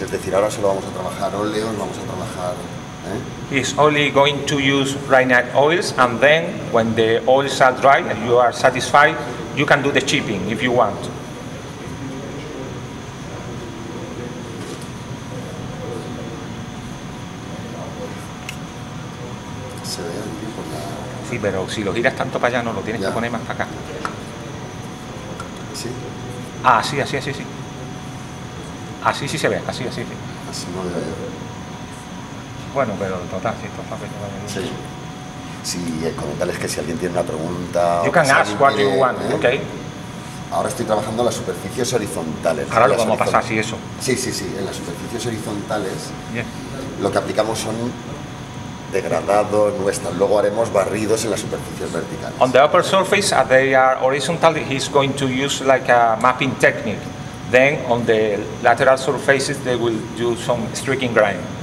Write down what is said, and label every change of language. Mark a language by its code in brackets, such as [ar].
[es] Es decir, ahora solo vamos a trabajar óleos, vamos a trabajar. [en] He's only going to use Rhinite oils, and then when the oils are dry and you are satisfied, you can do the chipping if you want. [es] Se ve un tipo de... Sí, pero si lo giras tanto para allá, no lo tienes ya. Que poner más para acá. Sí. Ah, sí. Así sí se ve, así. Las 9 de ayer. Bueno, pero total, si esto hace que sí. Sí, comentarles que si alguien tiene una pregunta. [en] You can ask what you want, ¿eh? Okay. [es] Ahora estoy trabajando en las superficies horizontales. Ahora lo vamos a pasar, sí, eso. Sí, sí, sí. En las superficies horizontales, lo que aplicamos son degradados, nuestras. Luego haremos barridos en las superficies verticales. [en] On the upper surface, as they are horizontal, he's going to use like a mapping technique. Then on the lateral surfaces, they will do some streaking grind.